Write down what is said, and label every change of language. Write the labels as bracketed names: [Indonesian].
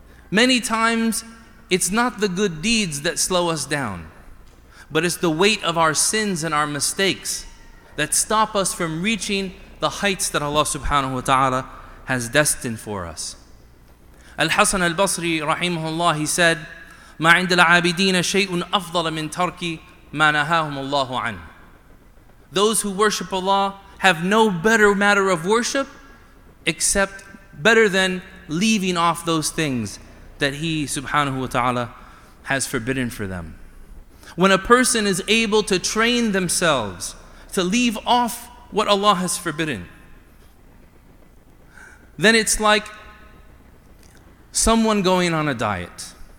[English] Many times, it's not the good deeds that slow us down, but it's the weight of our sins and our mistakes that stop us from reaching the heights that Allah subhanahu wa ta'ala has destined for us. [Arabic] Al-Hasan al-Basri rahimahullah, [English] he said, [Arabic] مَا عِنْدَ الْعَابِدِينَ شَيْءٌ أَفْضَلَ مِنْ تَرْكِ مَا نَهَاهُمُ اللَّهُ عَنْهُ. [English] Those who worship Allah have no better matter of worship except better than leaving off those things that he subhanahu wa ta'ala has forbidden for them. When a person is able to train themselves to leave off what Allah has forbidden, then it's like someone going on a diet.